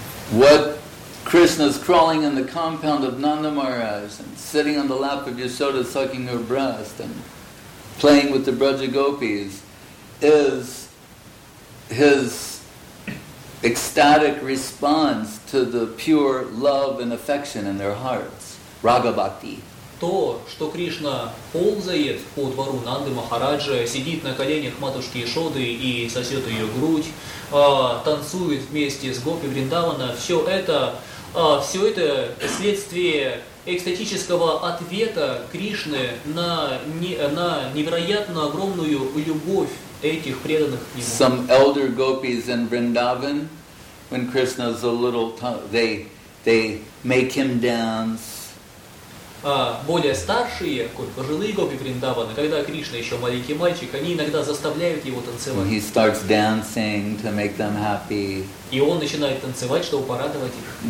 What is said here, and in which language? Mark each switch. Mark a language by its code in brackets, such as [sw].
[en] What Krishna's crawling in the compound of Nanda Maharaj and sitting on the lap of Yashoda sucking her breast and playing with the Brajagopis is his ecstatic response to the pure love and affection in their hearts, Raga Bhakti. [ru] То, что Кришна ползает по двору Нанды Махараджа, сидит на коленях матушки Ишоды и сосет ее грудь, танцует вместе с Гопи Вриндавана, все это следствие экстатического ответа Кришны на невероятно огромную любовь этих преданных к нему. [en] Some elder gopis in Vrindavan, when Krishna's a little they make him dance. [ru] Более старшие, пожилые гопи Вриндавана, когда Кришна еще маленький мальчик, они иногда заставляют его танцевать. [en] And he starts dancing to make them happy. [ru] И он начинает танцевать, чтобы порадовать их.